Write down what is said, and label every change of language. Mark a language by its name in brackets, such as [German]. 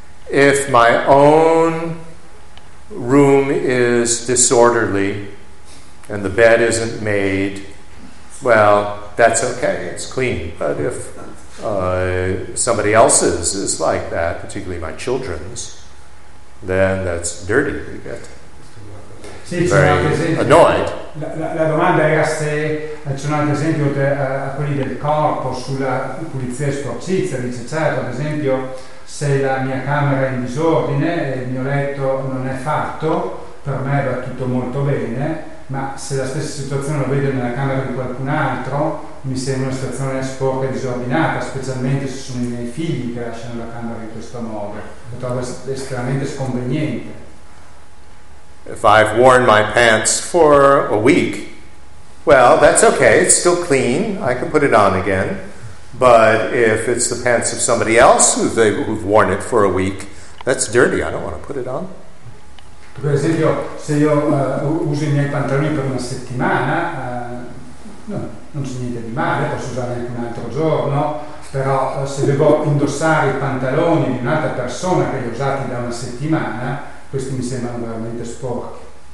[English] If my own room is disorderly and the bed isn't made, well, that's okay, it's clean. But if somebody else's is like that, particularly my children's, then that's dirty. You get very annoyed. [Italian] La domanda era se c'è un altro esempio oltre a quelli del corpo sulla pulizia e sporcizia. Dice certo, ad esempio, se la mia camera è in disordine e il mio letto non è fatto, per me va tutto molto bene, ma se la stessa situazione lo vedo nella camera di qualcun altro, mi sembra una situazione sporca e disordinata, specialmente se sono i miei figli che lasciano la camera in questo modo. Lo trovo estremamente sconveniente. [English] If I've worn my pants for a week, well, that's okay, it's still clean, I can put it on again. But if it's the pants of somebody else who've worn it for a week, that's dirty, I don't want to put it on. [Italian] Per esempio, se io uso i miei pantaloni per una settimana, non c'è niente di male, posso usarli anche un altro giorno, però se devo indossare i pantaloni di un'altra persona che li ho usati da una settimana, questi mi sembrano veramente sporchi.